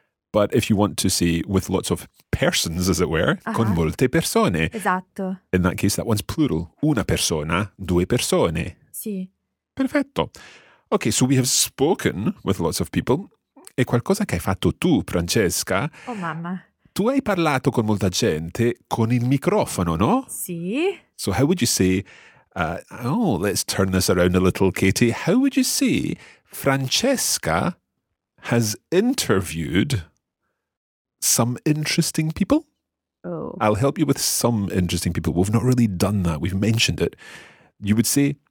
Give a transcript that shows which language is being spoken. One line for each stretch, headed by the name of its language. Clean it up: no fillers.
English: But if you want to see with lots of persons, as it were, uh-huh.
Italian: Con molte persone. Esatto.
English: In that case, that one's plural.
Italian: Una persona, due persone. Sì. Perfetto.
English: Okay, so we have spoken with lots of people.
Italian: E qualcosa che hai fatto tu, Francesca? Oh, mamma. Tu hai parlato con molta gente con il microfono, no? Sì.
English: So how would you say... let's turn this around a little, Katie. How would you say Francesca has interviewed some interesting people? Oh. I'll help you with some interesting people. We've not really done that. We've mentioned it. You would say...